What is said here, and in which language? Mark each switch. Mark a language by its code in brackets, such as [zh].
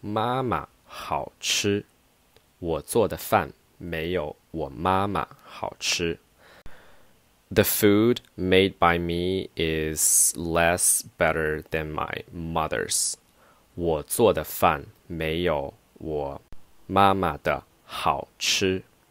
[zh] 我做的饭没有我妈妈好吃.我做的饭没有我妈妈好吃. [en] The food made by me is less better than my mother's. [zh] 我做的饭没有我妈妈的好吃.